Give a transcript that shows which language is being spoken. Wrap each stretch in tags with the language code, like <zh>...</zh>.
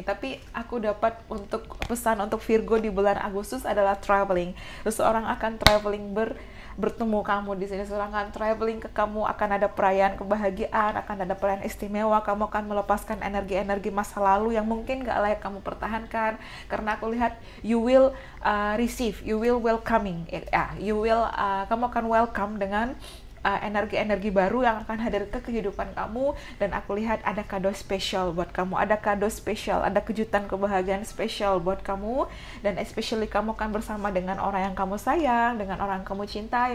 <id>Tapi aku dapat untuk pesan untuk Virgo di bulan Agustus adalah traveling. Seseorang akan traveling bertemu kamu di sini. Seseorang akan traveling ke kamu, akan ada perayaan kebahagiaan, akan ada perayaan istimewa. Kamu akan melepaskan energi-energi masa lalu yang mungkin gak layak kamu pertahankan. Karena aku lihat</id> <en>you will receive, you will welcoming. You will</en> <id>kamu akan welcome dengan energi-energi baru yang akan hadir ke kehidupan kamu, dan aku lihat ada kado spesial buat kamu, ada kado spesial, ada kejutan kebahagiaan spesial buat kamu, dan especially kamu akan bersama dengan orang yang kamu sayang, dengan orang yang kamu cintai.</id>